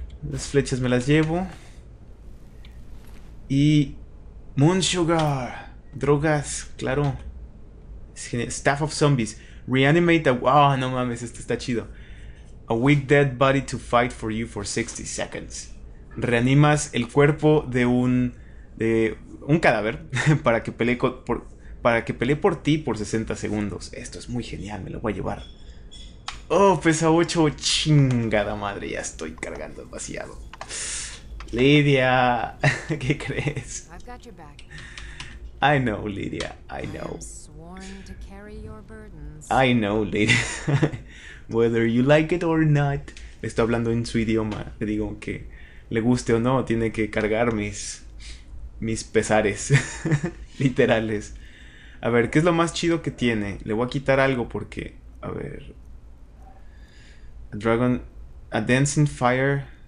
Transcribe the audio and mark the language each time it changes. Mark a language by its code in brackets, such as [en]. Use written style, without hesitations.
[es] Las flechas me las llevo. Y... Moon Sugar. Drogas, claro. Es genial. Staff of Zombies. [en] Reanimate a... [es] Wow, no mames, esto está chido. [en] A weak dead body to fight for you for 60 seconds. [es] Reanimas el cuerpo de un cadáver para que pelee por ti por 60 segundos. Esto es muy genial, me lo voy a llevar. Oh, pesa 8. Chingada madre, ya estoy cargando demasiado. Lidia, ¿qué crees? [en] I've got your back. I know, Lydia, I I have know. sworn to carry your burdens. I know, Lydia. Whether you like it or not. [es] Estoy hablando en su idioma. Le digo que le guste o no, tiene que cargar mis pesares. Literales. A ver, ¿qué es lo más chido que tiene? Le voy a quitar algo porque. A ver. A Dragon. A Dancing Fire.